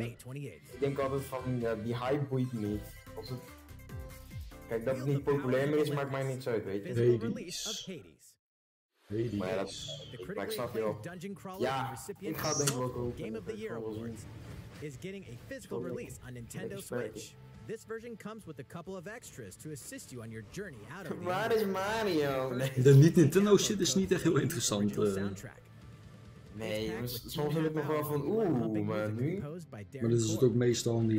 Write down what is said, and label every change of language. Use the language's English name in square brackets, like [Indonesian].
[Dutch] Ik denk altijd van, die hype boeit niet. Kijk, dat het niet populair meer is, maakt mij niet uit, weet je. Hades. Maar ja, dat is, ik snap je wel. Ja, ik ga denk ik wel kopen. [English] Game of the Year Awards is getting a physical release on Nintendo Switch. This version comes with a couple of extras to assist you on your journey out of the... [Dutch] Waar is Mario? De Nintendo shit is niet echt heel interessant. Nee, soms heb ik nog wel van, maar nu? Maar dit is het ook meestal niet.